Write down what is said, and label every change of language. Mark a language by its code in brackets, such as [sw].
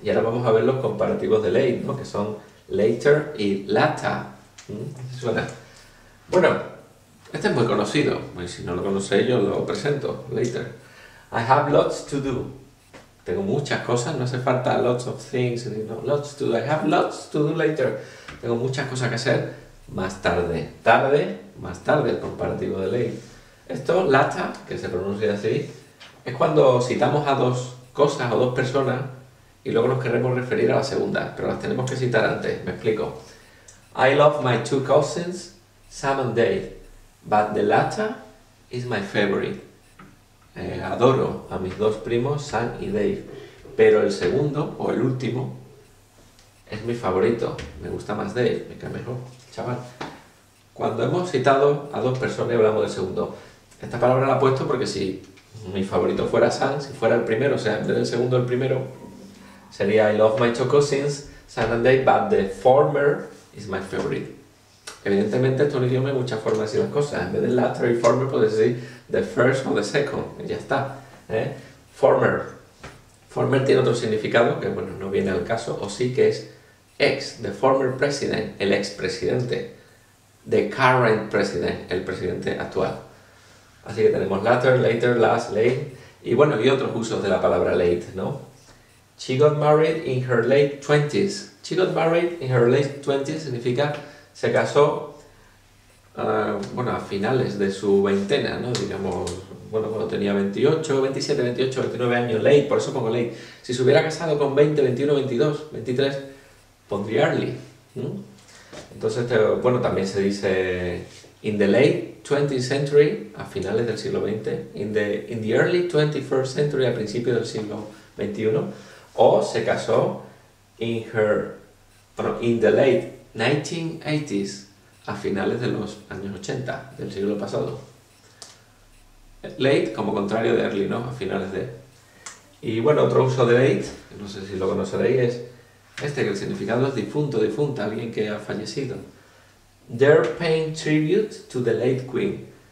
[es] Y ahora vamos a ver los comparativos de late, ¿no? Que son later y latter. ¿Suena? Bueno, este es muy conocido. Y si no lo conocéis, yo lo presento. Later. [en] I have lots to do. [es] Tengo muchas cosas, no hace falta [en] lots of things. No, lots to do. I have lots to do later. [es] Tengo muchas cosas que hacer. Más tarde, tarde, más tarde, el comparativo de late. Esto, latter, que se pronuncia así, es cuando citamos a dos cosas o dos personas y luego nos queremos referir a la segunda, pero las tenemos que citar antes. Me explico. [en] I love my two cousins, Sam and Dave, but the latter is my favorite. [es] Adoro a mis dos primos, Sam y Dave, pero el segundo o el último es mi favorito. Me gusta más Dave, me cae mejor. Chaval, cuando hemos citado a dos personas y hablamos del segundo, esta palabra la he puesto porque si mi favorito fuera Sam, si fuera el primero, o sea, en vez del segundo, el primero, sería [en] I love my two cousins, Sam and Dave, but the former is my favorite. [es] Evidentemente, esto es un idioma y muchas formas de decir las cosas. En vez de latter y former, puedes decir [en] the first [es] o [en] the second, [es] y ya está, ¿eh? Former. Former tiene otro significado que, bueno, no viene al caso, o sí que es. [en] Ex, the former president, [es] el expresidente. [en] The current president, [es] el presidente actual. Así que tenemos latter, later, last, late. Y bueno, y otros usos de la palabra late, ¿no? [en] She got married in her late 20s. She got married in her late 20s [es] significa se casó, bueno, a finales de su veintena, ¿no? Digamos, bueno, cuando tenía 28, 27, 28, 29 años, late, por eso pongo late. Si se hubiera casado con 20, 21, 22, 23. Pondría early, ¿no? Entonces, bueno, también se dice [en] in the late 20th century, [es] a finales del siglo XX, [en] in the early 21st century, [es] a principios del siglo XXI, o se casó [en] in her, [es] bueno, [en] in the late 1980s, [es] a finales de los años 80, del siglo pasado. Late como contrario de early, ¿no? A finales de. Y bueno, otro uso de late, no sé si lo conoceréis, es. Este, que el significado es difunto, difunta, alguien que ha fallecido. [en] They're paying tribute to the late queen.